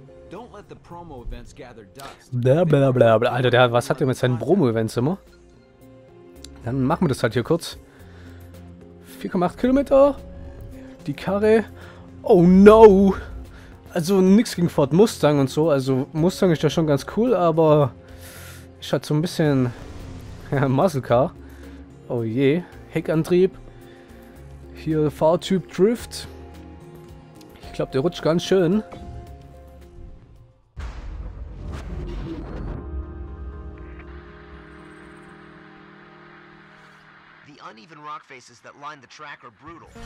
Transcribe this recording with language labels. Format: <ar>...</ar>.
<en>Don't let the promo events gather dust. Blablabla.</en> <de>Alter, der, was hat der mit seinen Promo-Events immer? Dann machen wir das halt hier kurz. 4,8 Kilometer. Die Karre.</de> <en>Oh no!</en> <de>Also nichts gegen Ford Mustang und so. Also Mustang ist ja schon ganz cool, aber... Ich hatte so ein bisschen Muscle Car. Oh je, Heckantrieb. Hier Fahrtyp Drift. Ich glaube, der rutscht ganz schön.</de> <en>The uneven rock faces that line the track are brutal.</en>